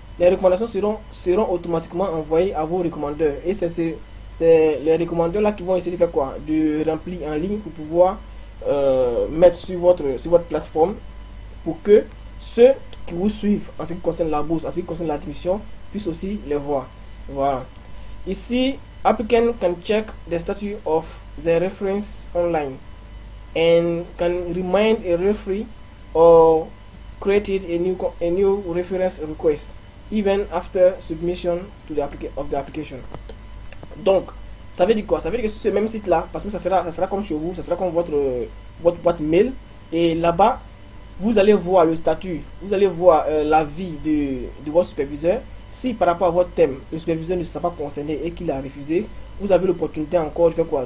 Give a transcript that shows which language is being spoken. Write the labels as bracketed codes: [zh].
[fr] Les recommandations seront automatiquement envoyées à vos recommandeurs. Et c'est les recommandeurs là qui vont essayer de faire quoi? De remplir en ligne pour pouvoir mettre sur votre plateforme pour que ceux qui vous suivent en ce qui concerne la bourse, en ce qui concerne l'admission, puissent aussi les voir. Voilà. [en] Ici, applicant can check the status of the reference online and can remind a referee or create a new reference request even after submission of the application. [fr] Donc, ça veut dire quoi? Ça veut dire que sur ce même site-là, parce que ça sera comme chez vous, ça sera comme votre boîte mail, et là-bas, vous allez voir le statut, vous allez voir l'avis de votre superviseur. Si par rapport à votre thème, le superviseur ne se sent pas concerné et qu'il a refusé, vous avez l'opportunité encore de faire quoi?